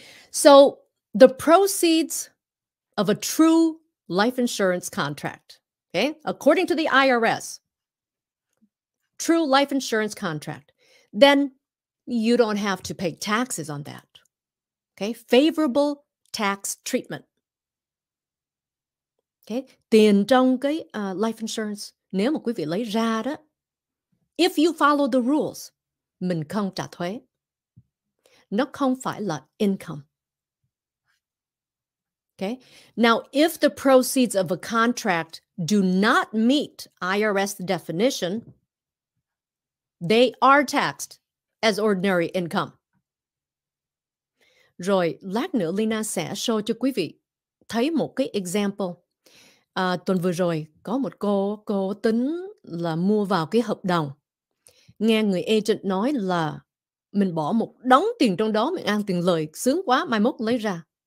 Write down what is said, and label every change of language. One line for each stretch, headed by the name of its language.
English: So the proceeds of a true life insurance contract, okay? According to the IRS, true life insurance contract, then you don't have to pay taxes on that, okay? Favorable tax treatment. Okay.
Vietnamese: Tiền trong cái life insurance, nếu mà quý vị lấy ra đó,
English: if you follow the rules,
Vietnamese: mình không trả thuế. Nó không phải là income.
English: Okay. Now, if the proceeds of a contract do not meet IRS definition, they are taxed as ordinary income.
Vietnamese: Rồi, lát nữa Leyna sẽ show cho quý vị thấy một cái example. Tuần vừa rồi, có một cô tính là mua vào cái hợp đồng. Nghe người agent nói là mình bỏ một đống tiền trong đó, mình ăn tiền lời, sướng quá, mai mốt lấy ra.